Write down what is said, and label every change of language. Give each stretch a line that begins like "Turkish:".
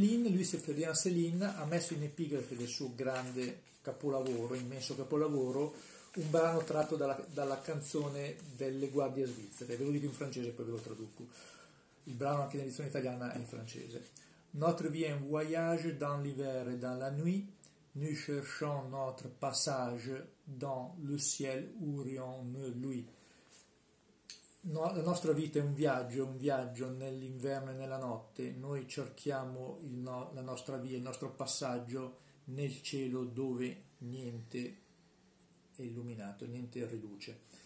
Italian: Louis Ferdinand Céline ha messo in epigrafe del suo grande capolavoro, immenso capolavoro, un brano tratto dalla canzone delle guardie svizzere. Ve lo dico in francese e poi ve lo traduco. Il brano anche in edizione italiana è in francese.
French: Notre vie un voyage dans l'hiver et dans la nuit, nous cherchons notre passage dans le ciel où rien ne luit.
Italian: No, la nostra vita è un viaggio nell'inverno e nella notte. Noi cerchiamo la nostra via, il nostro passaggio nel cielo dove niente è illuminato, niente riluce.